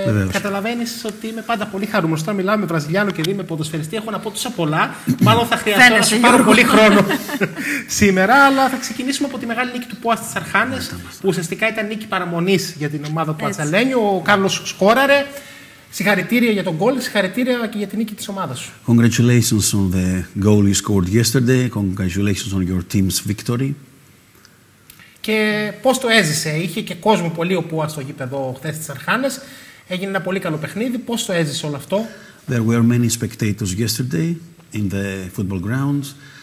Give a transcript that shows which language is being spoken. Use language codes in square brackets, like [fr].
[el] Καταλαβαίνεις ότι είμαι πάντα πολύ χαρούμενος. Όταν μιλάω με Βραζιλιάνο και με ποδοσφαιριστή, έχω να πω τόσα πολλά. Μάλλον θα χρειαστώ να σου πάρω πολύ χρόνο σήμερα. Αλλά θα ξεκινήσουμε από τη μεγάλη νίκη του Πουά στις Αρχάνες, που ουσιαστικά ήταν νίκη παραμονής για την ομάδα του Ατσαλένιου. Ο Κάρλος σκόραρε. Συγχαρητήρια για τον γκολ, συγχαρητήρια και για την νίκη της ομάδας σου. [en] Congratulations on the goal you scored yesterday. Congratulations on your team's victory. [el] Και πώς το έζησε? Είχε και κόσμο πολύ ο Πουάς στο γήπεδο χθες στις Αρχάνες. Έγινε ένα πολύ καλό παιχνίδι. Πώς το έζησε όλο αυτό? [en] There were many spectators yesterday in the football grounds.